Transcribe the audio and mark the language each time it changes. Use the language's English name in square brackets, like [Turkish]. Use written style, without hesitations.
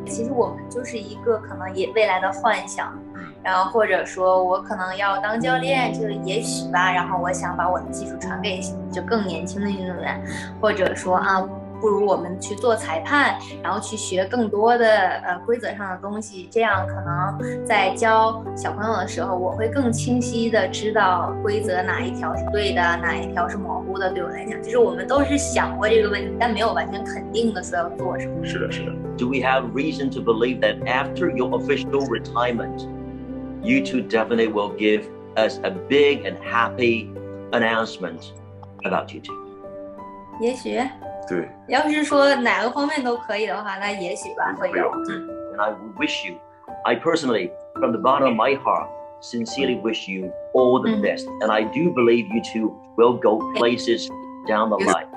[Chinese] 其实我们就是一个可能也未来的幻想，然后或者说我可能要当教练，就也许吧，然后我想把我的技术传给就更年轻的运动员，或者说啊不如我们去做裁判，然后去学更多的规则上的东西，这样可能在教小朋友的时候我会更清晰的知道规则哪一条是对的，哪一条是模糊的。对我来讲就是我们都是想过这个问题，但没有完全肯定的说要做什么。是的，是的。 [English] Do we have reason to believe that after your official retirement you two definitely will give us a big and happy announcement about you two? [Chinese] 也许对，要是说哪个方面都可以的话，那也许吧，会有。对 [English] ，And I wish you, I personally, from the bottom of my heart, sincerely wish you all the best. And I do believe you two will go places down the line.